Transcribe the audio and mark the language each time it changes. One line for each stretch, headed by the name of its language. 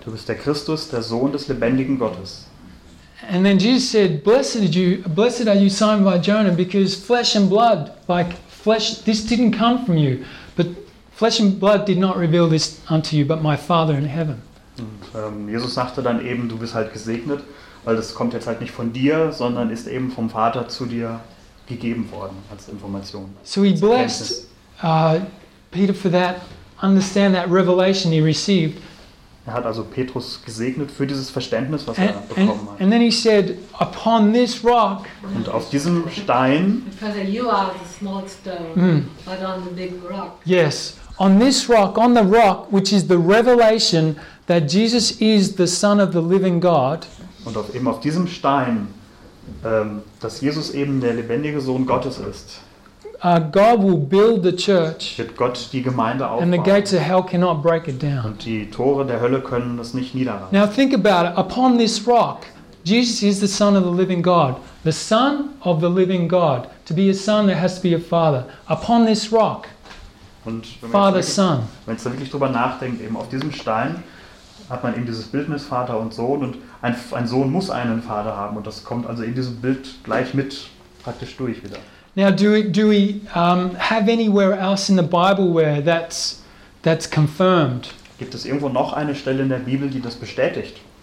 German: Du bist der Christus, der Sohn des lebendigen Gottes.
English: And then Jesus said, "Blessed are you, Simon by Jonah, because flesh and blood, like flesh, this didn't come from you, but flesh and blood did not reveal this unto you, but my Father in heaven."
German: Und, Jesus sagte dann eben, du bist halt gesegnet, weil das kommt jetzt halt nicht von dir, sondern ist eben vom Vater zu dir gegeben worden als Information.
English: So he blessed Peter for that, understand that revelation he received.
German: Er hat also Petrus gesegnet für dieses Verständnis, was er bekommen hat.
English: And then he said, upon this rock,
German: und auf diesem Stein,
English: because you are the small stone, but on the big rock. Yes, on this rock, on the rock, which is the revelation that Jesus is the Son of the living God.
German: Und auf diesem Stein, dass Jesus eben der lebendige Sohn Gottes ist.
English: God will build the church.
German: Wird Gott die Gemeinde aufbauen.
English: And the gates of hell cannot break it down.
German: Und die Tore der Hölle können das nicht niederreißen.
English: Now think about it. Upon this rock, Jesus is the Son of the living God. The Son of the living God. To be a son, there has to be a father. Upon this rock,
German: und
English: Father, Son.
German: Wenn man da wirklich drüber nachdenkt, eben auf diesem Stein hat man eben dieses Bildnis Vater und Sohn. Und ein Sohn muss einen Vater haben. Und das kommt also in diesem Bild gleich mit praktisch durch wieder.
English: Now, do we have anywhere else in the Bible where that's confirmed?
German: Gibt es irgendwo noch eine Stelle in der Bibel, die das bestätigt?